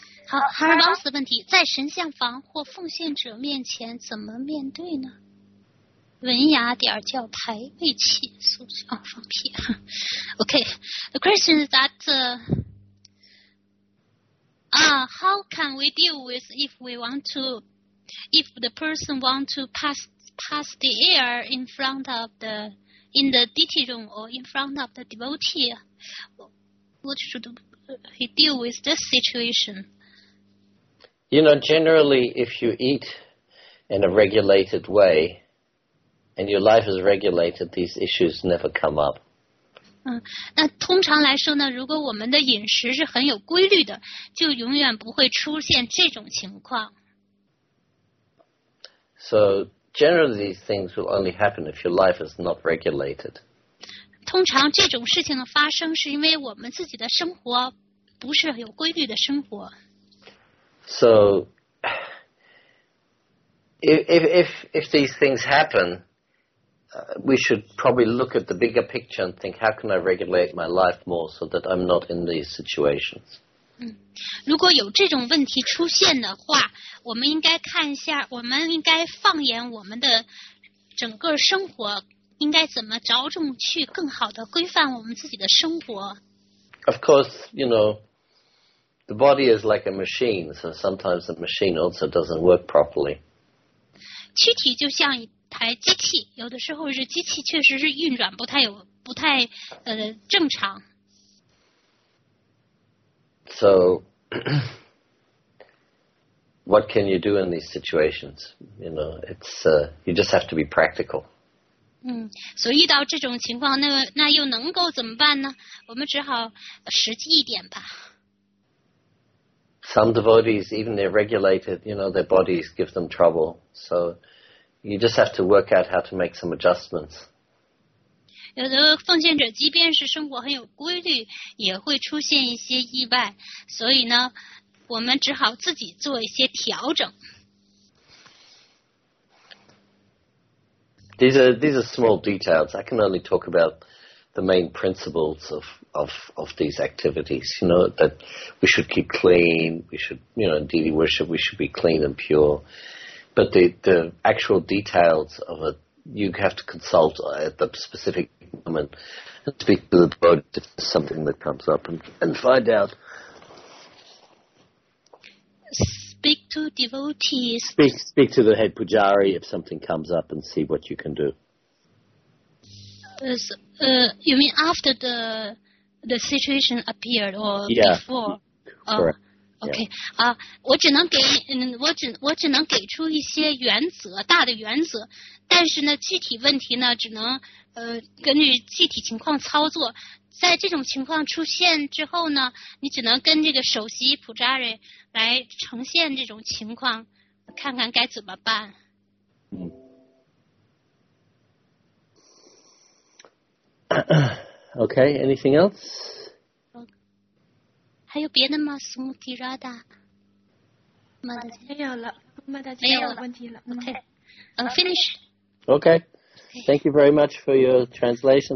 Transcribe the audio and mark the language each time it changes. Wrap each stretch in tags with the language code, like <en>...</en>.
<zh>好，哈尔邦斯问题，在神像房或奉献者面前怎么面对呢？文雅点叫排位器，素啊放屁。</zh> <en>OK，the question is that how can we deal with if the person want to pass the air in front of the in the deity room or in front of the devotee? What should he deal with this situation? You know, generally, if you eat in a regulated way and your life is regulated, these issues never come up.</en> <zh>那通常来说呢，如果我们的饮食是很有规律的，就永远不会出现这种情况。</zh> <en>So, generally, these things will only happen if your life is not regulated.</en> <zh>通常这种事情的发生是因为我们自己的生活不是有规律的生活。</zh> <en>So, if these things happen, we should probably look at the bigger picture and think, how can I regulate my life more so that I'm not in these situations?</en> <zh>如果有这种问题出现的话，我们应该看一下，我们应该放眼我们的整个生活，应该怎么着重去更好的规范我们自己的生活。</zh> <en>Of course, you know,The body is like a machine, so sometimes the machine also doesn't work properly.</en> <zh>躯体就像一台机器，有的时候是机器确实是运转不太正常。</zh> <en>So, what can you do in these situations? You know, it's, you just have to be practical.</en> <zh>所以遇到这种情况，那又能够怎么办呢？我们只好实际一点吧。</zh> <en>Some devotees, even they're regulated, you know, their bodies give them trouble. So you just have to work out how to make some adjustments.</en> <zh>有的奉献者即便是生活很有规律，也会出现一些意外。所以呢，我们只好自己做一些调整。</zh> <en>These are small details. I can only talk about the main principles of these activities, you know, that we should keep clean, we should, you know, deity worship, we should be clean and pure. But the actual details of it, you have to consult at the specific moment and speak to the board if there's something that comes up and find out. Speak to devotees. Speak to the head pujari if something comes up and see what you can do. You mean after the situation appeared or before. Yeah. Okay.</en> <zh>我只能给我只能给出一些原则，大的原则，但是呢，具体问题呢，只能根据具体情况操作。在这种情况出现之后呢，你只能跟这个首席普扎瑞来呈现这种情况，看看该怎么办。</zh> <en>Okay, anything else?</en> <zh>还有别的吗？苏木迪拉达，没有了，没有了，没有问题了。</zh> <en>Okay, finish. Okay, thank you very much for your translation.</en>